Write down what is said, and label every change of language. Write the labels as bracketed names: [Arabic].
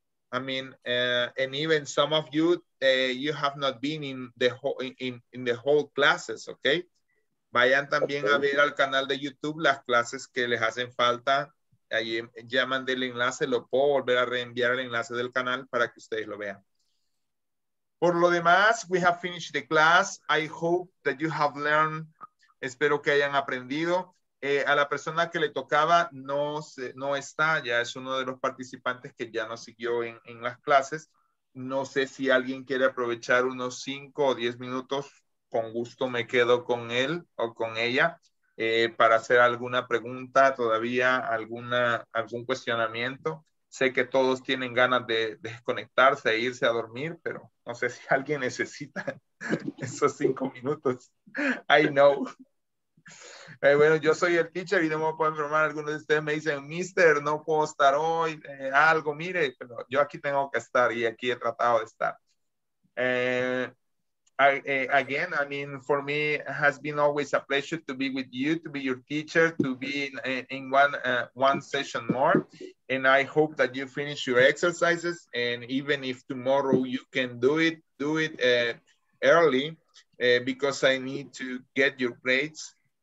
[English] I mean, and even some of you, you have not been in the whole, in the whole classes, okay? [Spanish] Vayan también a ver al canal de YouTube las clases que les hacen falta. Ahí ya mandé el enlace, lo puedo volver a reenviar el enlace del canal para que ustedes lo vean. Por lo demás, [English] we have finished the class. I hope that you have learned. [Spanish] Espero que hayan aprendido. A la persona que le tocaba no está. Ya es uno de los participantes que ya no siguió en las clases. No sé si alguien quiere aprovechar unos 5 o 10 minutos. Con gusto me quedo con él o con ella para hacer alguna pregunta todavía, algún cuestionamiento. Sé que todos tienen ganas de desconectarse e irse a dormir, pero no sé si alguien necesita esos 5 minutos. [English] I know. [Spanish] Bueno, yo soy el teacher y no me puedo informar. Algunos de ustedes me dicen, mister, no puedo estar hoy, algo, mire. Pero yo aquí tengo que estar y aquí he tratado de estar. [English] Again, I mean, for me, it has been always a pleasure to be with you, to be your teacher, to be in one session more. And I hope that you finish your exercises. And even if tomorrow you can do it early because I need to get your grades.